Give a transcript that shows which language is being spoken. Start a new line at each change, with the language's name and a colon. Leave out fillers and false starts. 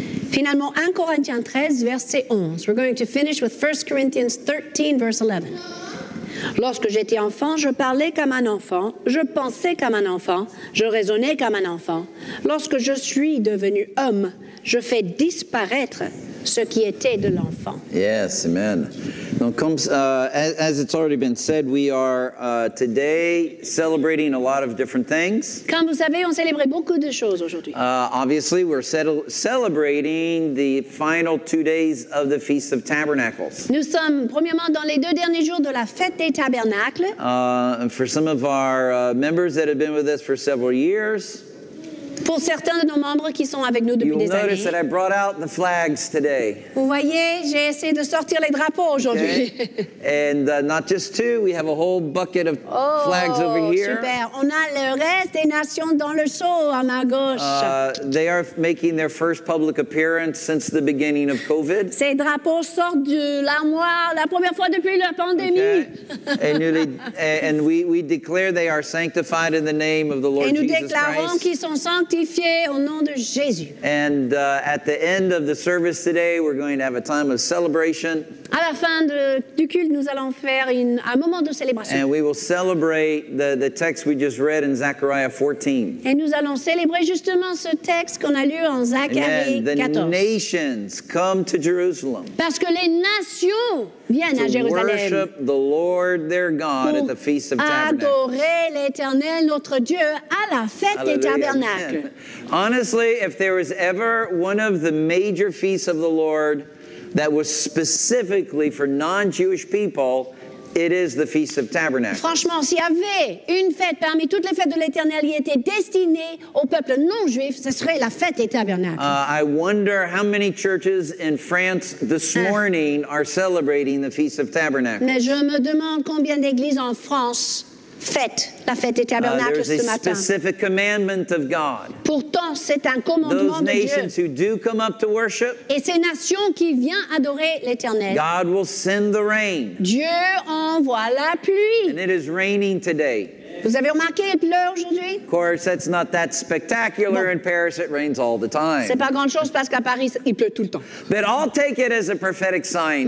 French: Finalement, 1 Corinthiens 13, verset 11.
English: We're going to finish with 1 Corinthians 13, verse 11.
French: Lorsque j'étais enfant, je parlais comme un enfant, je pensais comme un enfant, je raisonnais comme un enfant. Lorsque je suis devenu homme, je fais disparaître ce qui était de l'enfant.
English: Yes, amen.
French: Donc, comme,
English: as it's already been said, we are today celebrating a lot of different things.
French: Comme vous savez, on célèbre beaucoup de choses aujourd'hui.
English: Obviously, we're celebrating the final 2 days of the Feast of Tabernacles.
French: Nous sommes premièrement dans les deux derniers jours de la fête des tabernacles.
English: For some of our members that have been with us for several years.
French: Pour certains de nos membres qui sont avec nous depuis des années.
English: You'll notice that I brought out the flags today.
French: Vous voyez, j'ai essayé de sortir les drapeaux aujourd'hui.
English: Okay. And not just two, we have a whole bucket of flags over here.
French: Oh, super. On a le reste des nations dans le seau à ma gauche.
English: They are making their first public appearance since the beginning of COVID.
French: Ces drapeaux sortent de l'armoire la première fois depuis la pandémie.
English: Okay. And we declare they are sanctified in the name of the Lord Jesus Christ.
French: Et nous déclarons qu'ils sont sanctifiés. Au nom de Jésus.
English: And at the end of the service today, we're going to have a time of celebration.
French: À la fin du culte, nous allons faire un moment de célébration.
English: And we will celebrate the text we just read in Zechariah 14.
French: Et nous allons célébrer justement ce texte qu'on a lu en Zacharie 14.
English: And the nations come to Jerusalem.
French: Parce que les nations viennent à Jérusalem.
English: To worship the Lord their God at the Feast of Tabernacles.
French: Adorer l'Éternel notre Dieu à la fête des tabernacles.
English: Honestly, if there was ever one of the major feasts of the Lord, that was specifically for non-Jewish people, it is the Feast of Tabernacles.
French: Franchement, s'il y avait une fête parmi toutes les fêtes de l'Éternel qui était destinée au peuple non-juif, ce serait la fête des tabernacles.
English: I wonder how many churches in France this morning are celebrating the Feast of Tabernacles.
French: Mais je me demande combien d'églises en France fête la fête des tabernacles ce matin.
English: There's a specific commandment of God.
French: Pourtant, c'est un commandement de Dieu.
English: Those nations who do come up to worship,
French: et ces nations qui viennent adorer l'Éternel,
English: God will send the rain.
French: Dieu envoie la pluie.
English: And it is raining today.
French: Vous avez remarqué, il pleut aujourd'hui?
English: Of course, that's not that spectacular. Bon. In Paris, it rains all the time.
French: C'est pas grand-chose parce qu'à Paris, il pleut tout le temps.
English: But I'll take it as a prophetic sign